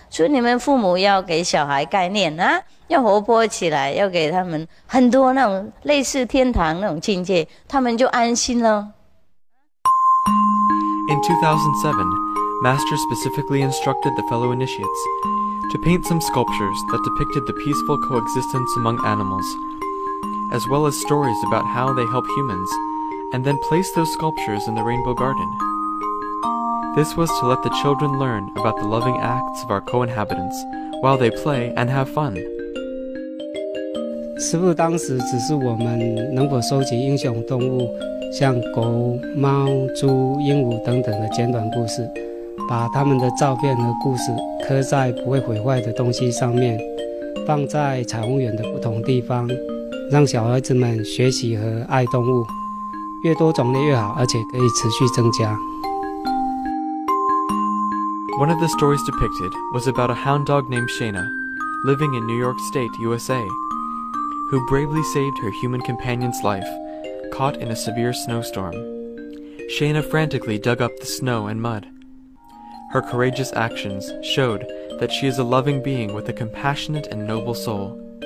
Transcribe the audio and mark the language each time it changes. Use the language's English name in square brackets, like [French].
[Chinese] 所以你们父母要给小孩概念啊，要活泼起来，要给他们很多那种类似天堂那种境界，他们就安心了。 [English] In 2007, Master specifically instructed the fellow initiates to paint some sculptures that depicted the peaceful coexistence among animals. As well as stories about how they help humans, and then place those sculptures in the Rainbow Garden. This was to let the children learn about the loving acts of our co-inhabitants while they play and have fun. [Chinese] 师父当时只是我们能否收集英雄动物，像狗、猫、猪、鹦鹉等等的简短故事，把他们的照片和故事刻在不会毁坏的东西上面，放在彩虹园的不同地方。让小孩子们学习和爱动物，越多种类越好，而且可以持续增加。 [English] One of the stories depicted was about a hound dog named Shayna, living in New York State, USA, who bravely saved her human companion's life, caught in a severe snowstorm. Shayna frantically dug up the snow and mud. Her courageous actions showed that she is a loving being with a compassionate and noble soul.